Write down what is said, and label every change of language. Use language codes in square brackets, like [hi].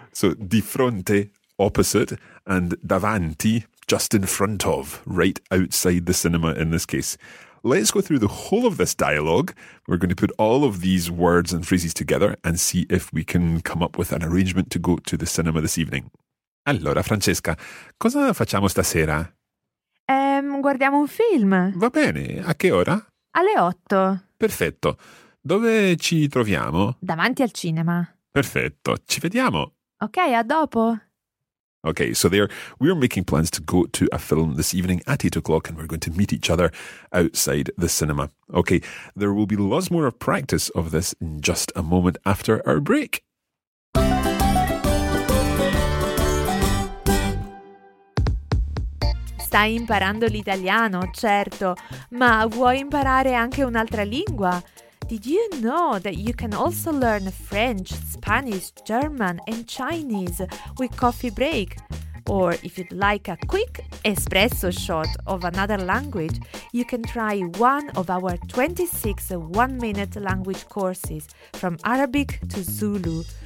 [en] So di fronte, opposite, and davanti, just in front of, right outside the cinema in this case. Let's go through the whole of this dialogue. We're going to put all of these words and phrases together and see if we can come up with an arrangement to go to the cinema this evening. [it] Allora, Francesca, cosa facciamo stasera? Guardiamo un film. Va bene. A che ora? Alle otto. Perfetto. Dove ci troviamo? Davanti al cinema. Perfetto. Ci vediamo. Ok, a dopo. [en] Okay, so there, we're making plans to go to a film this evening at 8 o'clock and we're going to meet each other outside the cinema. Okay, there will be lots more of practice of this in just a moment after our break. [it] Stai imparando l'italiano, certo, ma vuoi imparare anche un'altra lingua? [en] Did you know that you can also learn French, Spanish, German and Chinese with Coffee Break? Or if you'd like a quick espresso shot of another language, you can try one of our 26 one-minute language courses from Arabic to Zulu.